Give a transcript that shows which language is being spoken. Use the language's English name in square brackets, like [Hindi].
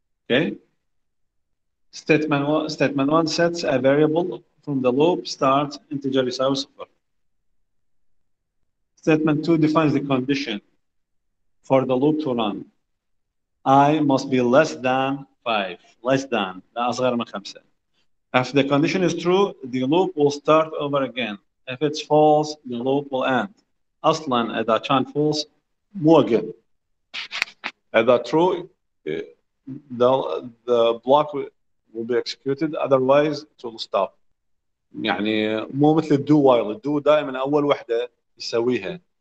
[English] okay statement one sets a variable from the loop starts integer [Arabic] يساوي صفر [English] statement two defines the condition for the loop to run I must be less than 5, less than, [Arabic] لا أصغر من 5. [English] If the condition is true, the loop will start over again. If it's false, the loop will end. [Arabic] أصلاً إذا كان false, مو again. [English] إذا true, the block will be executed, otherwise it will stop. [Arabic] يعني مو مثل الدو while, الدو دائماً أول وحدة يسويها.